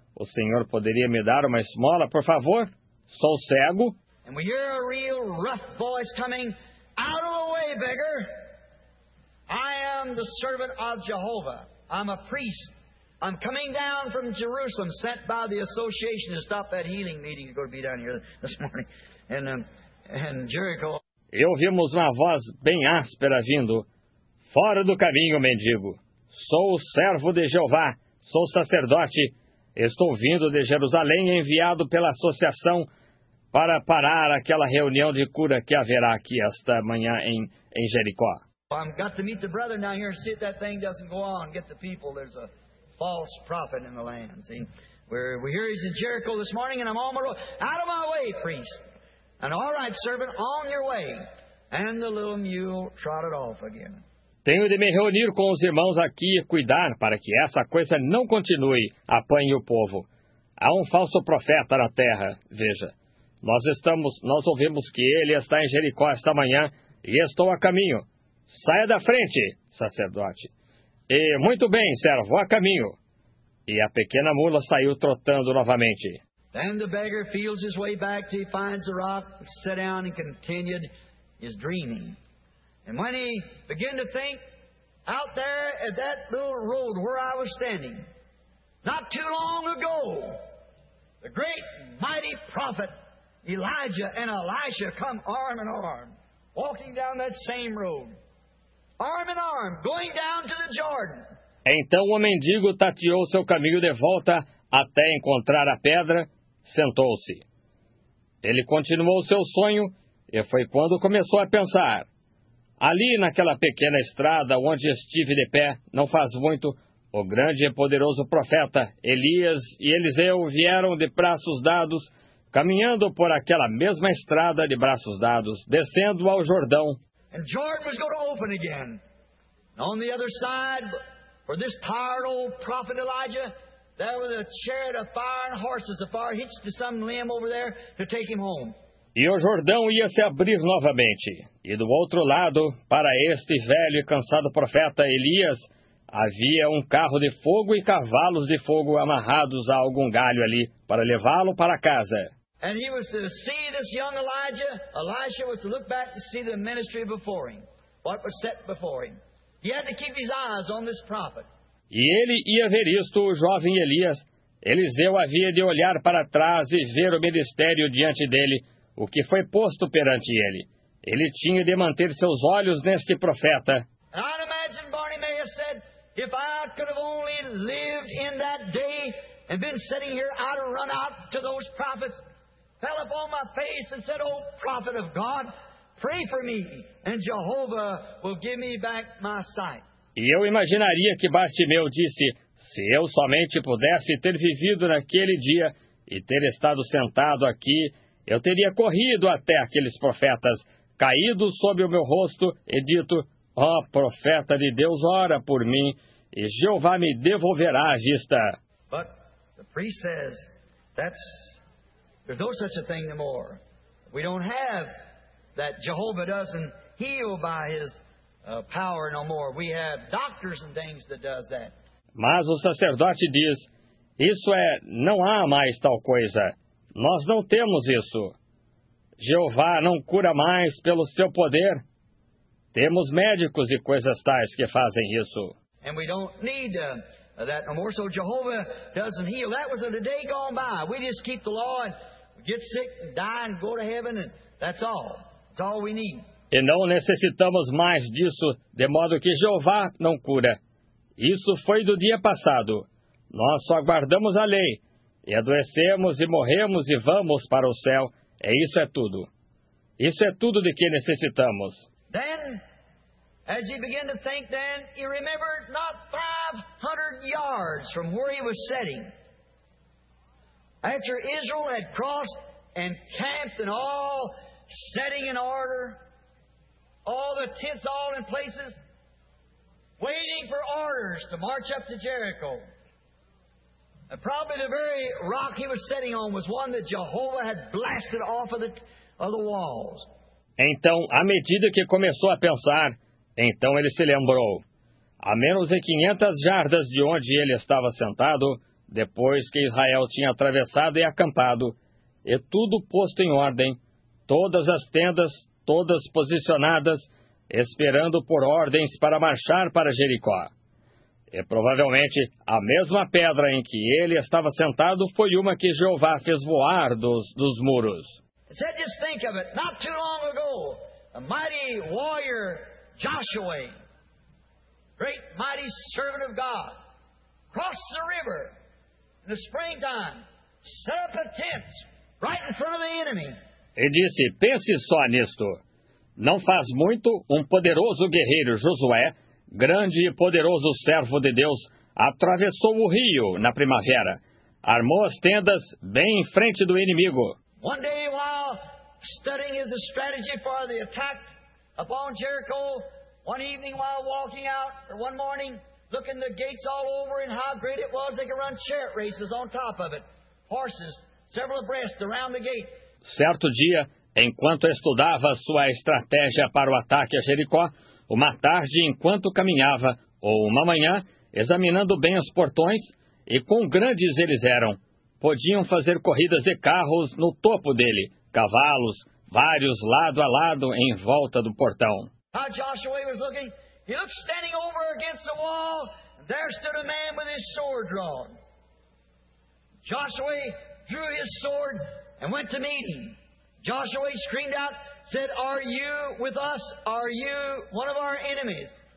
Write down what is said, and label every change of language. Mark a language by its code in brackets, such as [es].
[pt] O senhor poderia me dar uma esmola, por favor? Sou cego. [en] And we hear a real rough voice coming, out of the way, beggar. I am the servant of Jehovah. I'm a priest. I'm coming down from Jerusalem, sent by the association to stop that healing meeting that's going to be down here this morning. And Jericho. [pt] E ouvimos uma voz bem áspera vindo, fora do caminho, mendigo. Sou o servo de Jeová, sou sacerdote. Estou vindo de Jerusalém, enviado pela associação para parar aquela reunião de cura que haverá aqui esta manhã em Jericó. [en] I've got to meet the brother down here, see if that thing doesn't go on, get the people. There's a false prophet in the land, see? We hear he's in Jericho this morning, and I'm on my road. Out of my way, priest. And all right, servant, on your way. And the little mule trotted off again. [pt] Tenho de me reunir com os irmãos aqui e cuidar para que essa coisa não continue, apanhe o povo. Há um falso profeta na terra, veja. Nós ouvimos que ele está em Jericó esta manhã e estou a caminho. Saia da frente, sacerdote. E muito bem, servo, a caminho. E a pequena mula saiu trotando novamente. [en] Then the beggar feels his way back till he finds the rock, sat down and continued his dreaming. And when he began to think, out there at that little road where I was standing, not too long ago, the great mighty prophet Elijah and Elisha come arm in arm, walking down that same road, arm in arm, going down to the Jordan. [pt] Então o mendigo tateou seu caminho de volta até encontrar a pedra, sentou-se. Ele continuou seu sonho e foi quando começou a pensar. Ali, naquela pequena estrada onde estive de pé, não faz muito, o grande e poderoso profeta Elias e Eliseu vieram de braços dados, caminhando por aquela mesma estrada de braços dados, descendo ao Jordão. [en] And Jordan was going to open again. On the other side, for this tired old prophet Elijah, there was a chariot of fire and horses of fire hitched to some limb over there to take him home. [pt] E o Jordão ia se abrir novamente. E do outro lado, para este velho e cansado profeta Elias, havia um carro de fogo e cavalos de fogo amarrados a algum galho ali para levá-lo para casa. [en] And he was to see this young Elijah. Elisha was to look back to see the ministry before him, what was set before him. He had to keep his eyes on this prophet. [pt] E ele ia ver isto, o jovem Elias. Eliseu havia de olhar para trás e ver o ministério diante dele, o que foi posto perante ele. Ele tinha de manter seus olhos neste profeta. [en] And I'd imagine Barney may have said, if I could have only lived in that day and been sitting here, I'd have run out to those prophets, fell upon my face and said, oh, prophet of God, pray for me, and Jehovah will give me back my sight. [pt] E eu imaginaria que Bartimeu disse, se eu somente pudesse ter vivido naquele dia e ter estado sentado aqui, eu teria corrido até aqueles profetas, caído sobre o meu rosto e dito, ó, profeta de Deus, ora por mim, e Jeová me devolverá a vista. [en] But the priest says, that's... There's no such a thing no more. We don't have that Jehovah doesn't heal by his power no more. We have doctors and things that does that. [pt] Mas o sacerdote diz, isso é, não há mais tal coisa. Nós não temos isso. Jeová não cura mais pelo seu poder. Temos médicos e coisas tais que fazem isso. [en] And we don't need that no more. So Jehovah doesn't heal. That was in the day gone by. We just keep the law and get sick and die and go to heaven and that's all. That's all we need. [pt] E não necessitamos mais disso, de modo que Jeová não cura. Isso foi do dia passado. Nós só guardamos a lei. E adoecemos e morremos e vamos para o céu. E isso é tudo. Isso é tudo de que necessitamos. [en] Then, as he began to think then, he remembered not 500 yards from where he was sitting. After Israel had crossed and camped and all setting in order, all the tents all in places, waiting for orders to march up to Jericho. And probably the very rock he was sitting on was one that Jehovah had blasted off of the walls. [pt] Então, à medida que começou a pensar, então ele se lembrou. A menos de 500 jardas de onde ele estava sentado, depois que Israel tinha atravessado e acampado, e tudo posto em ordem, todas as tendas, todas posicionadas, esperando por ordens para marchar para Jericó. E provavelmente a mesma pedra em que ele estava sentado foi uma que Jeová fez voar dos muros. [en] Just think of it. Not too long ago, a mighty warrior Joshua, great mighty servant of God, crossed the river. In the springtime, set up a tent right in front of the enemy. [pt] E disse, pense só nisto. Não faz muito, um poderoso guerreiro Josué, grande e poderoso servo de Deus, atravessou o rio na primavera, armou as tendas bem em frente do inimigo. [en] One day, while studying his strategy for the attack upon Jericho, one evening while walking out, or one morning, looking the gates all over and how great it was, they could run chariot races on top of it. Horses, several abreast around the gate. [pt] Certo dia, enquanto estudava sua estratégia para o ataque a Jericó, uma tarde enquanto caminhava, ou uma manhã, examinando bem os portões, e quão grandes eles eram, podiam fazer corridas de carros no topo dele, cavalos, vários lado a lado em volta do portão. [en] How Joshua was looking. He looked standing over against the wall, and there stood a man with his sword drawn. Joshua drew his sword and went to meet him. Joshua screamed out, said, are you with us? Are you one of our enemies?